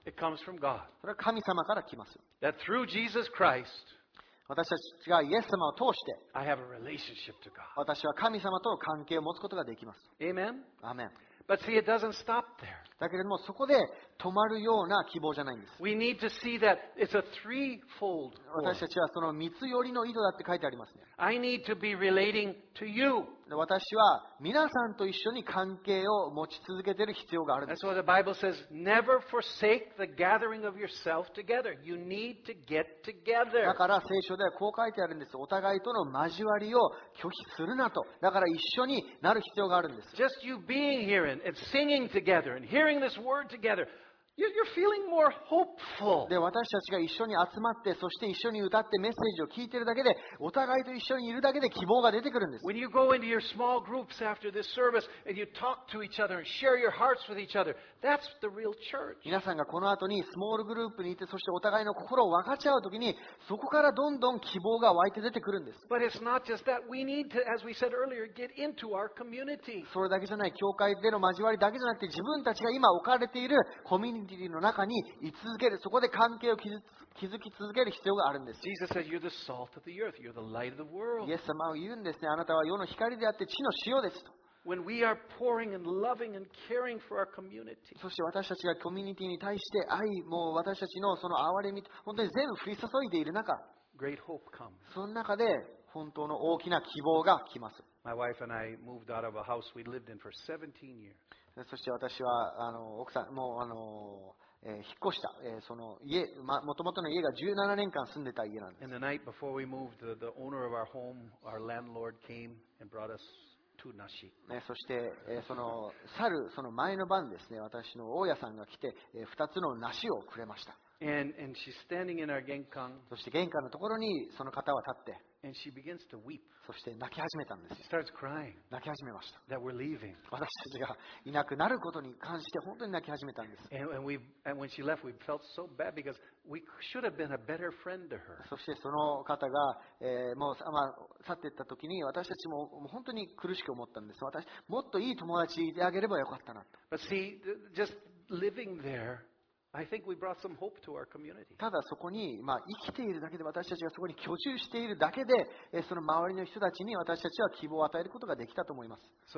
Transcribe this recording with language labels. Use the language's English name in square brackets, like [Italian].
[English] It comes from God. [Japanese] それは神様から来ます。 [English] That through Jesus Christ, [Japanese] 私たちがイエス様を通して、 [English] I have a relationship to God. [Japanese] 私は神様との関係を持つことができます。 [English] Amen. Amen. But see, it doesn't stop there. [Japanese] だけれども、そこで止まるような希望じゃないんです。 [English] We need to see that it's a threefold. [Japanese] 私たちはその三つ寄りの井戸だって書いてありますね。 [English] I need to be relating to you. [Japanese] 私は皆さんと一緒に関係を持ち続けている必要があるんです。 [English] That's why the Bible says, never forsake the gathering of yourself together. You need to get together. [Japanese] だから聖書ではこう書いてあるんです。お互いとの交わりを拒否するなと。だから一緒になる必要があるんです。 [English] Just you being here and singing together and hearing this word together. You're feeling more hopeful. [Japanese] で私たちが一緒に集まって、そして一緒に歌ってメッセージを聞いているだけで、お互いと一緒にいるだけで希望が出てくるんです。 [English] When you go into your small groups after this service and you talk to each other and share your hearts with each other, that's the real church. [Japanese] 皆さんがこの後にスモールグループにいて、そしてお互いの心を分かち合うときに、そこからどんどん希望が湧いて出てくるんです。 [English] But it's not just that. We need to, as we said earlier, get into our community. [Japanese] それだけじゃない、教会での交わりだけじゃなくて、自分たちが今置かれているコミュニティの中に居続ける、そこで関係を築き続ける必要があるんです。 [English] Jesus said, You're the salt of the earth. You're the light of the world. [Japanese] イエス様は言うんですね、あなたは世の光であって地の塩ですと。 [English] When we are pouring and loving and caring for our community. [Japanese] そして私たちがコミュニティに対して愛、もう私たちのその憐れみ、本当に全部降り注いでいる中、 [English] Great hope comes. [Japanese] その中で本当の大きな希望が来ます。 [English] My wife and I moved out of a house we lived in for 17 years. [Japanese] そして私は奥さんもう引っ越した、その家、もともとの家が17年間住んでた家なんです。 [English] And the night before we moved, the owner of our home, our landlord came and brought us to Nashi. [Japanese] そして、その去るその前の晩ですね、私の大家さんが来て、2つの梨をくれました。 [English] And she's standing in our 玄関。 [Japanese] そして玄関のところにその方は立って、 [English] And she begins to weep. [Japanese] そして泣き始めたんです。 [English] She starts crying. [Japanese] 泣き始めました。 [English] That we're leaving. [Japanese] 私たちがいなくなることに関して本当に泣き始めたんです。 [English] And when she left, we felt so bad because we should have been a better friend to her. [Japanese] そしてその方が、もう、まあ、去っていった時に私たちも本当に苦しく思ったんです。私もっといい友達であげればよかったなと。 [English] But see, just living there. I think we brought some hope to our community. [Japanese] ただそこに、まあ、生きているだけで、私たちがそこに居住しているだけで、その周りの人たちに私たちは希望を与えることができたと思います。